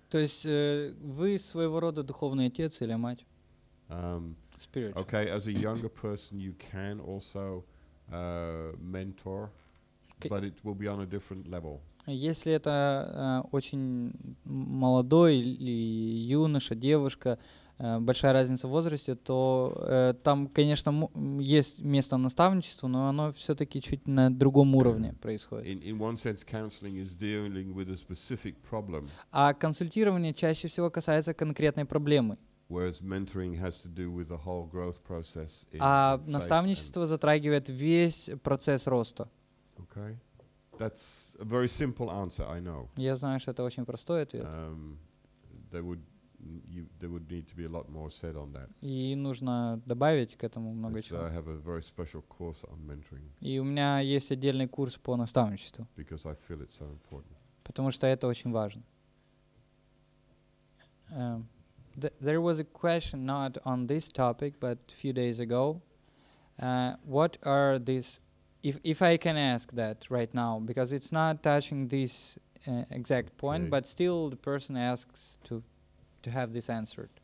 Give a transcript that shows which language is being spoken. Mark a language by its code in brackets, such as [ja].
[ru] То есть вы своего рода духовный отец или мать. [en] Spiritual. Okay, as a younger person, you can also mentor, but it will be on a different level. [ru] Если это очень молодой или юноша, девушка, большая разница в возрасте, то там, конечно, есть место наставничеству, но оно все-таки чуть на другом уровне происходит. [en] In one sense, counseling is dealing with a specific problem. [ru] А консультирование чаще всего касается конкретной проблемы. [en] Whereas mentoring has to do with the whole growth process. [ru] А наставничество затрагивает весь процесс роста. [en] Okay. That's a very simple answer, I know. [ru] Я знаю, что это очень простой ответ. [en] There would need to be a lot more said on that. [ru] И нужно добавить к этому много чего. [en] I have a very special course on mentoring. [ru] И у меня есть отдельный курс по наставничеству. [en] Because I feel it's so important. [ru] Потому что это очень важно. [en] There was a question not on this topic, but a few days ago. What are these? If I can ask that right now, because it's not touching this exact point, okay. But still the person asks to have this answered.